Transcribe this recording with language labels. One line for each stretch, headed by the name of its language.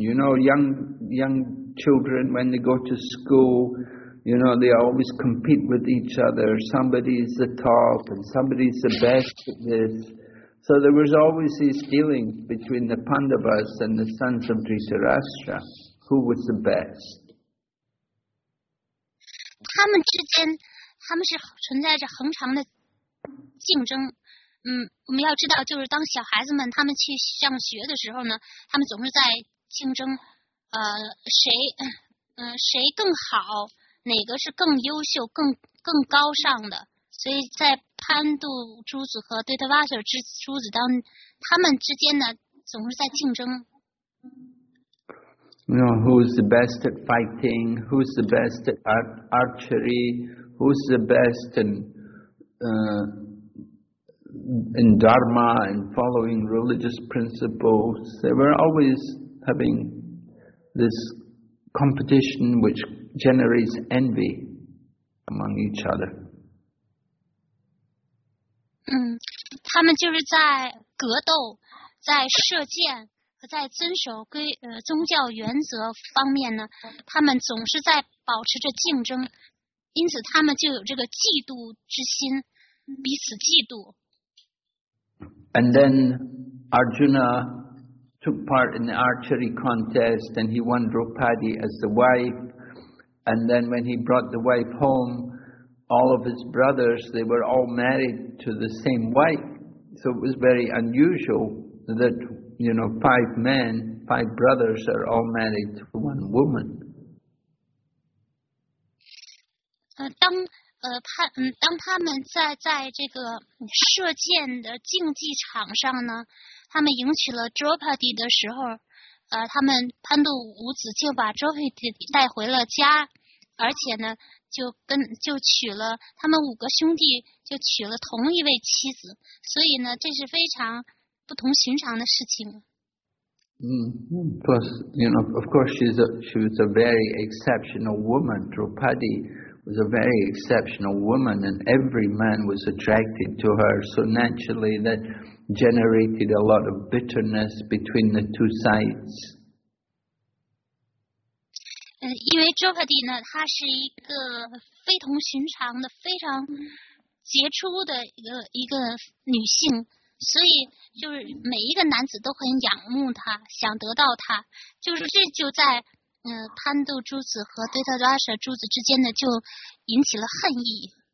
English: You know, young children when they go to school, you know, they always compete with each other. Somebody is the top and somebody is the best at this. So there was always these dealings between the Pandavas and the sons of Dhritarashtra, who was the best.
Chinese: 他们之间，他们是存在着恒常的竞争。我们要知道，就是当小孩子们他们去上学的时候呢，他们总是在竞争，谁更好，哪个是更优秀、更高尚的。所以在潘度诸子和对特瓦舍诸子当他们之间呢总是在竞争。
English: You know, who's the best at fighting? Who's the best at archery? Who's the best in dharma and following religious principles? They were always having this competition which generates envy among each other.
Chinese: 他们就是在格斗，在射箭和在遵守宗教原则方面呢，他们总是在保持着竞争，因此他们就有这个嫉妒之心，彼此嫉妒。
English: And then Arjuna took part in the archery contest, and he won Draupadi as the wife. And then when he brought the wife home. All of his brothers, they were all married to the same wife. So it was very unusual that, you know, five men, five brothers are all married to one woman.
Chinese: 当他们在这个射箭的竞技场上呢，他们迎娶了 Draupadi 的时候，他们潘度五子就把 Draupadi 带回了家，而且呢就娶了他们五个兄弟就娶了同一位妻子，所以呢这是非常不同寻常的事情。
English: Plus, you know, of course she was a very exceptional woman. Draupadi was a very exceptional woman, and every man was attracted to her. So naturally, that generated a lot of bitterness between the two sides.
Chinese: 因为 Draupadi 呢，她是一个非同寻常的、非常杰出的一个女性，所以就是每一个男子都很仰慕她，想得到她。就是这就在潘度诸子和对特拉舍诸子之间呢，就引起了恨意。